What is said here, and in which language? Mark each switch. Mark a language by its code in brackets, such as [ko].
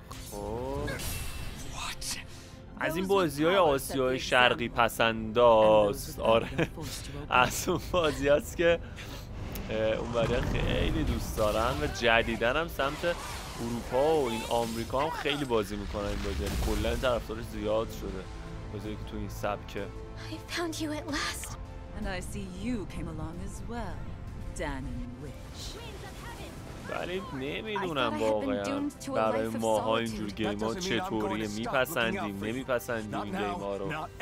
[fa] خب از این بازی های آسیای شرقی پسند هاست. آره از اون بازی هست که اون بری خیلی دوست دارن، و جدیدن هم سمت اروپا و این آمریکا هم خیلی بازی میکنن این بازی، کلن طرفدارش زیاد شده بازی که تو این سبکه. [en] I found you at last and I see you came along as well, Danny Witch. [fa] ولی نمیدونم واقعا برای ماها اینجور گیم ها چطوریه، میپسندیم نمیپسندیم این گیم ها رو.